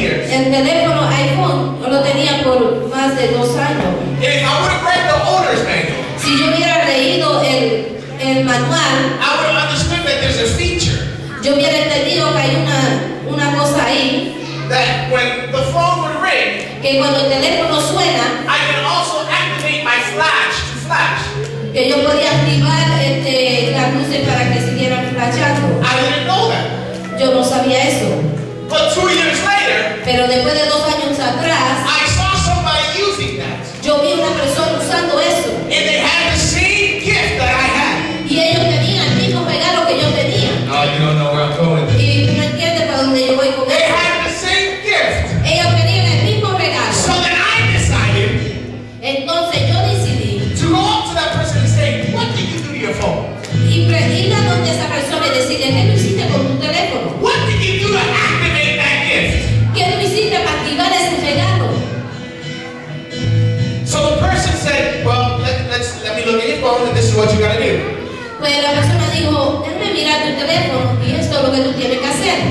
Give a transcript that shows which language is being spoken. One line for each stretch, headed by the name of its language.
Spanish: El teléfono iPhone lo tenía por más de 2 años.
English: If I would have read the owner's manual,
Spanish: si yo hubiera leído el manual,
English: I would have understood that there's a feature.
Spanish: Yo hubiera entendido que hay una cosa ahí.
English: That when the phone would ring,
Spanish: que cuando el teléfono suena,
English: I can also activate my flash to flash.
Spanish: Que yo podía activar las luces para que siguieran flashando.
English: I didn't know that.
Spanish: Yo no sabía eso.
English: But 2 years later,
Spanish: pero después de 2 años atrás,
English: I saw somebody using that.
Spanish: Yo vi una persona usando eso.
English: And they had the same gift that I had.
Spanish: Y ellos tenían el mismo regalo que yo tenía.
English: Oh, you don't know where I'm going.
Spanish: Y no entiendes para dónde yo voy con
English: they
Spanish: eso.
English: They had the same gift.
Spanish: Ellos tenían el mismo regalo.
English: So then I decided.
Spanish: Entonces yo decidí.
English: To go up to that person and say, what did you do to your phone?
Spanish: Y pregunta donde esa persona y decirle, ¿qué lo hiciste con tu teléfono?
English: What did you do to act?
Spanish: ¿Qué tú hiciste para activar ese regalo?
English: So the person said, well, let me look at your phone and this is what you got to do.
Spanish: Pues la persona dijo, déjame mirar tu teléfono y esto es lo que tú tienes que hacer.